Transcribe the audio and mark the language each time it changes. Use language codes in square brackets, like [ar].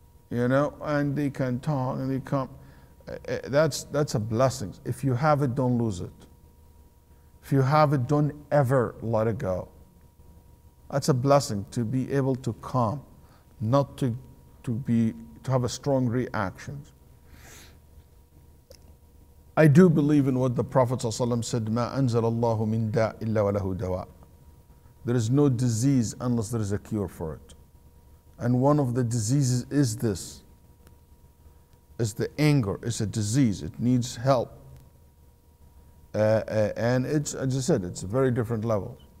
[en] You know, and they can talk and they come. That's a blessing. If you have it, don't lose it. If you have it, don't ever let it go. That's a blessing to be able to calm, not to have a strong reaction. I do believe in what the Prophet ﷺ said, [ar] مَا أَنزَلَ اللَّهُ مِنْ دَاءٍ إِلَّا وَلَهُ دَوَاءٍ. [en] There is no disease unless there is a cure for it. And one of the diseases is this, is the anger. It's a disease, it needs help. And it's, as I said, it's a very different level.